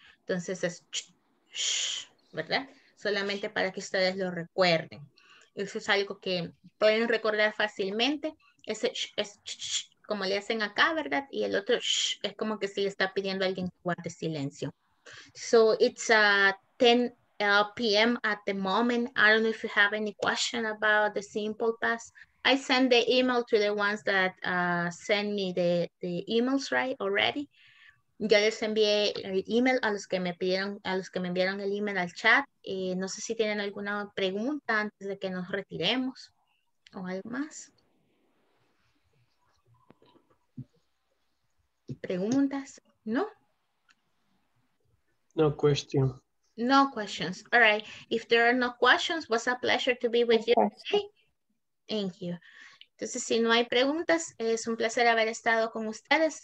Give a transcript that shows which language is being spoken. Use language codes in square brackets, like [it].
[es] Entonces es sh, sh, ¿verdad? Solamente para que ustedes lo recuerden. Eso es algo que pueden recordar fácilmente. Ese sh, es sh, sh, como le hacen acá, ¿verdad? Y el otro sh, es como que si le está pidiendo a alguien que guarde silencio. [en] So it's 10 p.m. at the moment. I don't know if you have any question about the simple past. I send the email to the ones that send me the emails, right, already. [es] Yo les envié el email a los que me pidieron, a los que me enviaron el email al chat. No sé si tienen alguna pregunta antes de que nos retiremos o algo más. ¿Preguntas? ¿No? [en] No question. No questions. All right. If there are no questions, it was a pleasure to be with you today. Thank you. [es] Entonces, si no hay preguntas, es un placer haber estado con ustedes.